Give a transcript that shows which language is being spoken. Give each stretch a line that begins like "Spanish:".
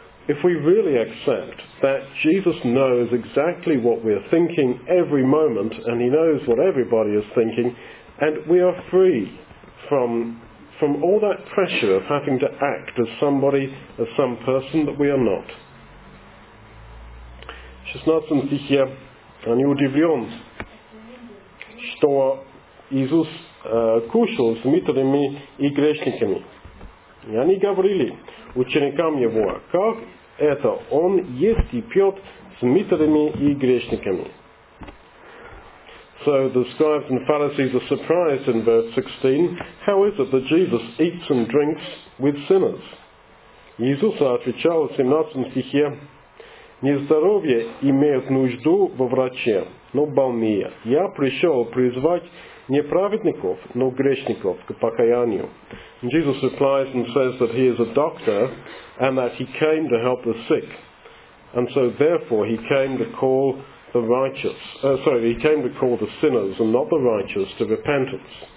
English: If we really accept that Jesus knows exactly what we're thinking every moment and he knows what everybody is thinking, and we are free from all that pressure of having to act as somebody, as some person that we are not.
Russian: 16 стихе, они удивлен, что Иисус кушал с мытарями и грешниками. И они говорили ученикам его, как это он ест и пьет с мытарями и грешниками.
English: So the scribes and Pharisees are surprised in verse 16, how is it that Jesus eats and drinks with sinners?
Russian: Иисус отвечал в 17 стихе, нездоровье имеет нужду во враче, но больные. Я пришел призвать не праведников, но грешников к покаянию.
English: Jesus replies and says that he is a doctor and that he came to help the sick. And so therefore he came to call the righteous. He came to call the sinners and not the righteous to repentance.